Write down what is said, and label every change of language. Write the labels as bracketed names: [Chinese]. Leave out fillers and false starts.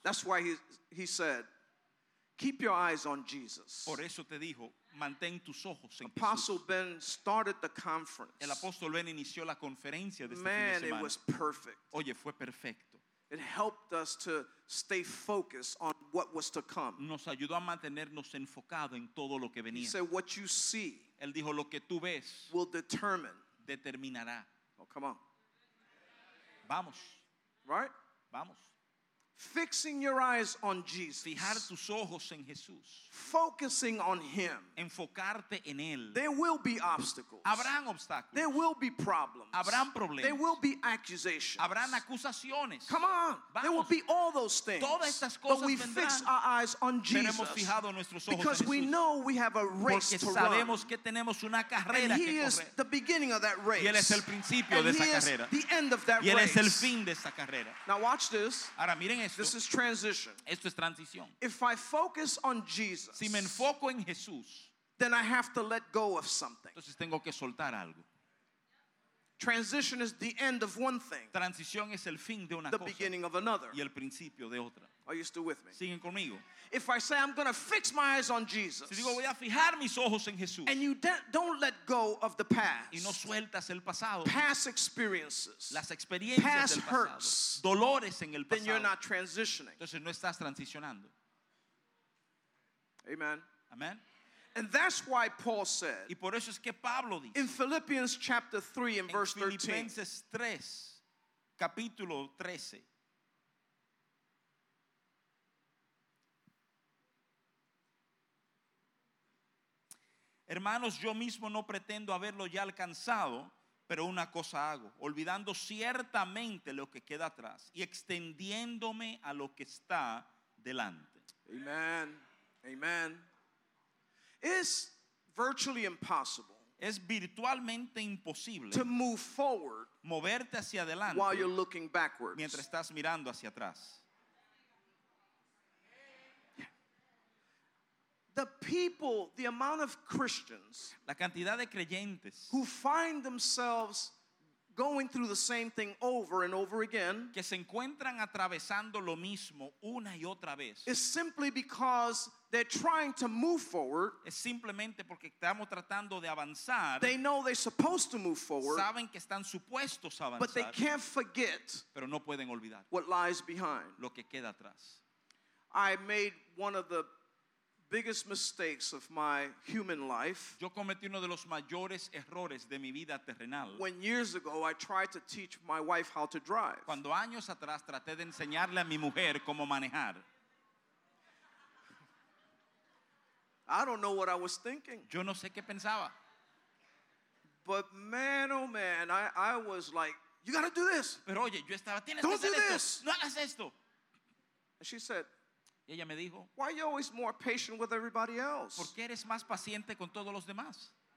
[English] That's why he said, keep your eyes on Jesus. [Spanish] Por eso te dijo, mantén tus ojos en [English] Apostle [Spanish] Jesús. [English] Ben started the conference. [Spanish] El apóstol Ben inició la conferencia de [English] Man, [Spanish] este fin de semana. [English] It was perfect. [Spanish] Oye, fue perfecto. [English] It helped us to stay focused on what was to come. [Spanish] Nos ayudó a mantenernos enfocado en todo lo que venía. [English] He said, what you see, [Spanish] él dijo, lo que tú ves, [English] will determine, [Spanish] determinará. [English] Oh, come on. [Spanish] Vamos. [English] Right? [Spanish] Vamos. [English] Fixing your eyes on Jesus. [Spanish] Fijar tus ojos en Jesús. [English] Focusing on him. [Spanish] Enfocarte en él. [English] There will be obstacles. [Spanish] Habrán obstáculos. [English] There will be problems. [Spanish] Habrán problemas. [English] There will be accusations. [Spanish] Habrán acusaciones. [English] Come on. [Spanish] Vamos. [English] There will be all those things. [Spanish] Todas estas cosas [English] but we [Spanish] vendrán. [English] Fix our eyes on Jesus. [Spanish] Tenemos fijado nuestros ojos [English] because [Spanish] en Jesús. [English] We know we have a race [Spanish] Porque [English] to run. [Spanish] Sabemos que tenemos una carrera [English] and he [Spanish] que correr. [English] Is the beginning of that race. [Spanish] Y él es el principio [English] and [Spanish] de [English] he [Spanish] esa [English] is [Spanish] carrera. [English] The end of that [Spanish] y él [English] race. [Spanish] Es el fin de esa carrera. [English] Now watch this. [Spanish] Ahora, miren esto. [English] This is transition. [Spanish] Esto es transición. [English] If I focus on Jesus, [Spanish] si me enfoco en Jesús, [English] then I have to let go of something. [Spanish] Entonces tengo que soltar algo. [English] Transition is the end of one thing. [Spanish] Transición es el fin de una [English] the [Spanish] cosa. [English] The beginning of another. [Spanish] Y el principio de otra. [English] Are you still with me? [Spanish] Siguen conmigo. [English] If I say I'm going to fix my eyes on Jesus, [Spanish] si digo voy a fijar mis ojos en Jesús, [English] and you don't let go of the past, [Spanish] y no sueltas el pasado, [English] past experiences, [Spanish] las experiencias [English] past [Spanish] del pasado, [English] hurts, [Spanish] dolores en el pasado, [English] then you're not transitioning. [Spanish] Entonces no estás transicionando. [English] Amen. [Spanish] Amen. [English] And that's why Paul said [Spanish] y por eso es que Pablo dice, [English] in Philippians chapter 3 and verse 13. [Spanish] Filipenses 3, capítulo 13. Hermanos, yo mismo no pretendo haberlo ya alcanzado, pero una cosa hago, olvidando ciertamente lo que queda atrás y extendiéndome a lo que está delante. Amen. Amen. [English] It's virtually impossible. [Spanish] Es virtualmente imposible. [English] To move forward. [Spanish] Moverte hacia adelante. [English] While you're looking backwards. [Spanish] Mientras estás mirando hacia atrás. [English] The people, the amount of Christians. [Spanish] La cantidad de creyentes. [English] Who find themselves going through the same thing over and over again. [Spanish] Que se encuentran atravesando lo mismo una y otra vez. [English] Is simply because they're trying to move forward. [Spanish] Es simplemente porque estamos tratando de avanzar. [English] They know they're supposed to move forward. [Spanish] Saben que están supuestos a avanzar. [English] But they can't forget. [Spanish] Pero no pueden olvidar. [English] What lies behind. [Spanish] Lo que queda atrás. [English] I made one of the biggest mistakes of my human life. [Spanish] Yo cometí uno de los mayores errores de mi vida terrenal. [English] When years ago I tried to teach my wife how to drive. [Spanish] Cuando años atrás traté de enseñarle a mi mujer cómo manejar. [English] I don't know what I was thinking. [Spanish] Yo no sé qué pensaba. [English] But man, oh man, I was like, you got to do this. [Spanish] Pero oye, yo estaba, tienes [English] don't [Spanish] que hacer [English] do [Spanish] esto. [English] This. [Spanish] No hagas esto. [English] And she said, [Spanish] y ella me dijo, [English] why are you always more patient with everybody else? [Spanish] ¿Por qué eres más paciente con todos los demás?